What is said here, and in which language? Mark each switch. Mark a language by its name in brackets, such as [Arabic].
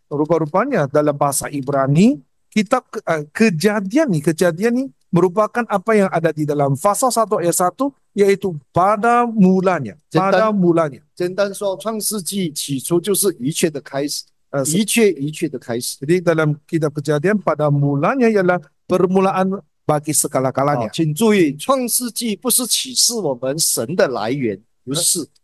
[Malay] Rupa-rupanya dalam bahasa Ibrani, kitab kejadian ini merupakan apa yang ada di dalam pasal 1 ayat 1, yaitu pada mulanya, pada mulanya. [Chinese] 简单说，创世纪起初就是一切的开始，一切的开始。 [Malay] Jadi dalam kitab kejadian pada mulanya ialah permulaan bagi segala-galanya. [Chinese] 请注意，创世纪不是启示我们神的来源，不是。